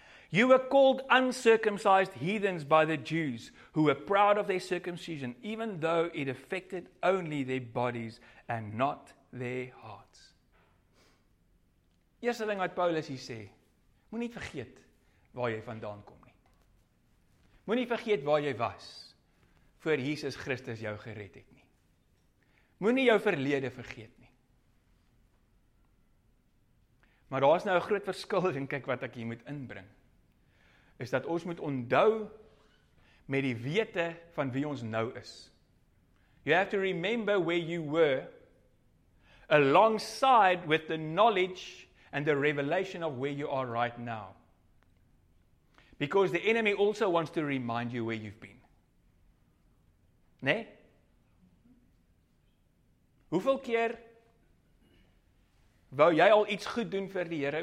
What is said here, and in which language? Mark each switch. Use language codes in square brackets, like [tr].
[en] You were called uncircumcised heathens by the Jews who were proud of their circumcision, even though it affected only their bodies and not their hearts. [af] Eerste ding wat Paulus hier sê, moet nie vergeet waar jy vandaan kom nie. Moet nie vergeet waar jy was voor Jesus Christus jou gered het nie. Moet nie jou verlede vergeet. Maar daar is nou 'n groot verskil, en kyk wat ek hier moet inbring, is dat ons moet onthou met die wete van wie ons nou is. [en] You have to remember where you were alongside with the knowledge and the revelation of where you are right now. Because the enemy also wants to remind you where you've been. [af] Nee? Hoeveel keer wou jy al iets goed doen vir die Here?